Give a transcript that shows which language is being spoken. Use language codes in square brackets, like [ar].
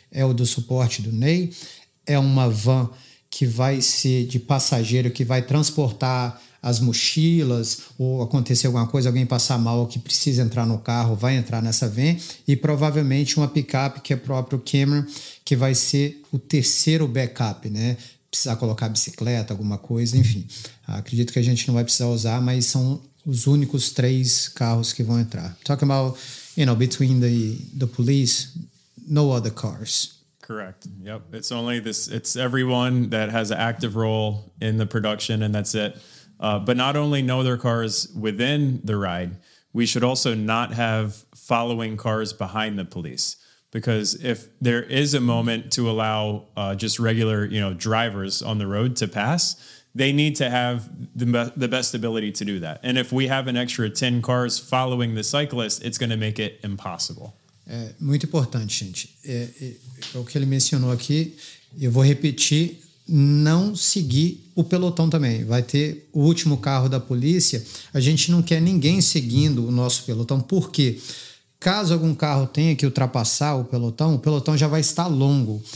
[pt] É o do suporte do Ney, é uma van que vai ser de passageiro, que vai transportar as mochilas, ou acontecer alguma coisa, alguém passar mal, que precisa entrar no carro, vai entrar nessa van, e provavelmente uma picape, que é o próprio Cameron, que vai ser o terceiro backup, né? Precisar colocar bicicleta, alguma coisa, enfim. Acredito que a gente não vai precisar usar, mas são os únicos 3 carros que vão entrar. [en] Talking about, you know, between the police, no other cars. Correct. Yep. It's only this. It's everyone that has an active role in the production, and that's it. But not only know their cars within the ride, we should also not have following cars behind the police. Because if there is a moment to allow just regular, you know, drivers on the road to pass, they need to have the best ability to do that. And if we have an extra 10 cars following the cyclist, it's going to make it impossible. [pt] Muito importante, gente. O que ele mencionou aqui, eu vou repetir, não seguir o pelotão também. Vai ter o último carro da polícia. A gente não quer ninguém seguindo o nosso pelotão. Por quê? Caso algum carro tenha que ultrapassar o pelotão já vai estar longo.